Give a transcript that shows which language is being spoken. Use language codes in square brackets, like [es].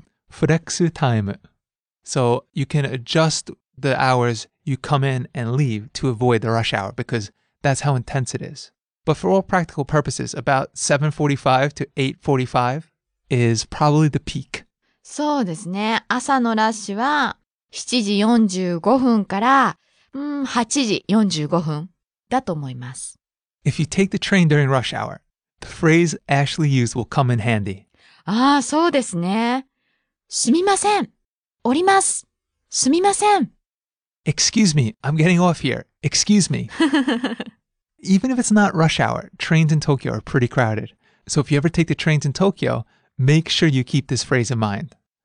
[en] Flexu time. So you can adjust the hours you come in and leave to avoid the rush hour because that's how intense it is. But for all practical purposes, about 7:45 to 8:45 is probably the peak. [ja] そうですね。朝のラッシュは7時45分から、8時45分。だと思います。 [en] If you take the train during rush hour, the phrase Ashley used will come in handy. [ja] ああ、そうですね。すみません。降ります。すみません。 [en] Excuse me, I'm getting off here. Excuse me. Even if it's not rush hour, trains in Tokyo are pretty crowded. So if you ever take the trains in Tokyo, make sure you keep this phrase in mind.